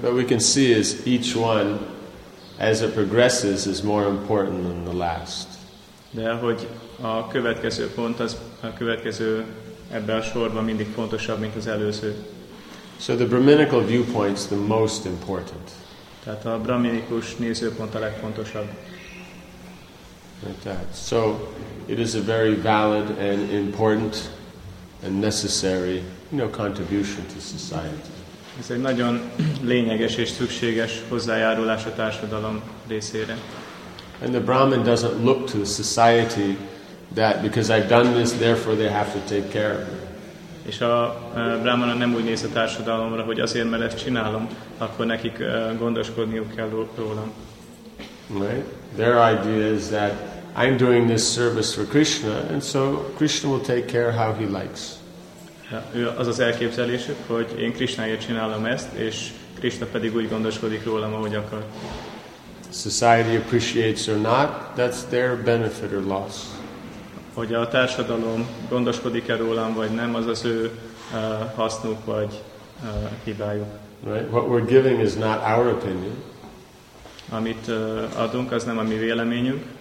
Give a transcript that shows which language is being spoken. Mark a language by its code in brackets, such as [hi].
[en] But we can see is each one, as it progresses, is more important than the last. [hu] De hogy a következő pont, az a következő ebben a sorban mindig fontosabb, mint az előző. [en] So the brahminical viewpoint is the most important. [hu] Tehát a brahminikus nézőpont a legfontosabb. [en] Like that. So it is a very valid and important and necessary, you know, contribution to society. [hu] Ez egy nagyon lényeges és szükséges hozzájárulás a társadalom részére. [en] And the Brahmin doesn't look to the society that because I've done this, therefore they have to take care of me. [hu] És a Brahmana nem úgy néz a társadalomra, hogy azért, mert ezt csinálom, akkor nekik gondoskodniuk kell rólam. [en] Right? Their idea is that I'm doing this service for Krishna, and so Krishna will take care how he likes. [hu] Az az elképzelésük, hogy én Krishnáért csinálom ezt, és Krishna pedig úgy gondoskodik rólam, ahogy akar. [en] Society appreciates or not, that's their benefit or loss. [hu] Hogy a társadalom gondoskodik-e rólam, vagy nem, az az ő hasznuk, vagy hibájuk. [en] Right? What we're giving is not our opinion. [hu] Amit adunk, az nem a mi véleményünk.